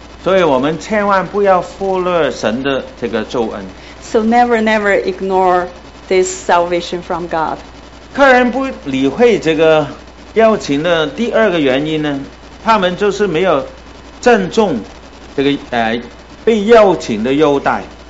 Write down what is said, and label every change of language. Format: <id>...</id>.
<zh>所以我们千万不要忽略神的这个咒恩。</zh> <en>So never, never ignore this salvation from God.</en> <zh>客人不理会这个邀请的第二个原因呢，他们就是没有郑重这个被邀请的优待。</zh>